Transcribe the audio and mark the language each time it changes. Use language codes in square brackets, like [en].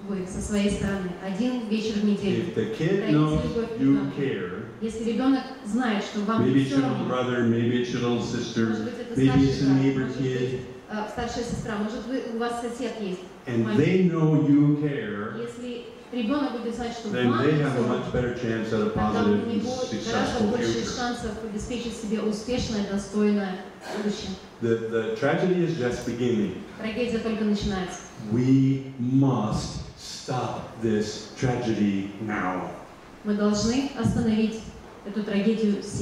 [ru] Со своей стороны, один вечер в неделю. [en] If the kid knows you care. [ru] Если ребенок знает, что вам [en] maybe it's your little brother, maybe it's your little sister, maybe it's a neighbor kid. [ru] Старшая сестра, может у вас сосед есть? [en] And they know you care. [ru] Если ребенок будет знать, что [en] then they have a much better chance at a positive, successful future. [ru] Гораздо больше шансов обеспечить себе успешное, достойное будущее. [en] The tragedy is just beginning. [ru] Трагедия только начинается. [en] We must stop this tragedy now. [ru] Мы должны остановить эту трагедию сейчас.